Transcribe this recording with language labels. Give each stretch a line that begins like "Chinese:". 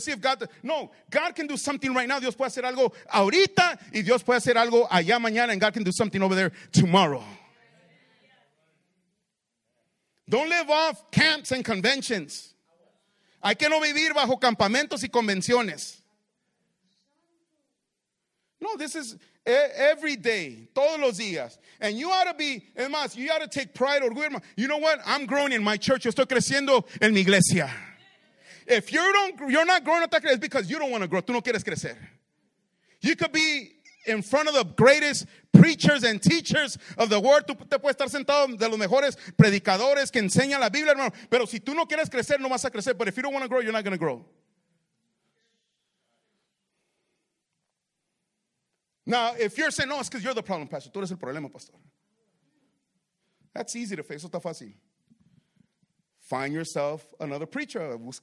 English: See if God, no, God can do something right now.
Spanish: Dios puede hacer algo ahorita y Dios puede hacer algo allá mañana.
English: And God can do something over there tomorrow. Don't live off camps and conventions.
Spanish: Hay que no vivir bajo campamentos y convenciones.
English: No, this is every day,
Spanish: todos los días.
English: And you ought to be,
Spanish: es más,
English: you ought to take pride,
Spanish: orgullo.
English: You know what? I'm growing in my church.
Spanish: Yo estoy creciendo en mi iglesia.
English: If you're not growing, it's because you don't want to grow.
Spanish: Tú no quieres crecer.
English: You could be in front of the greatest preachers and teachers of the world.
Spanish: Tú te puedes estar sentado de los mejores predicadores que enseñan la Biblia, hermano. Pero si tú no quieres crecer, no vas a crecer.
English: But if you don't want to grow, you're not going to grow. Now, if you're saying, no, it's because you're the problem, pastor.
Spanish: Tú eres el problema, pastor.
English: That's easy to face.
Spanish: Eso está fácil.
English: Find yourself another preacher.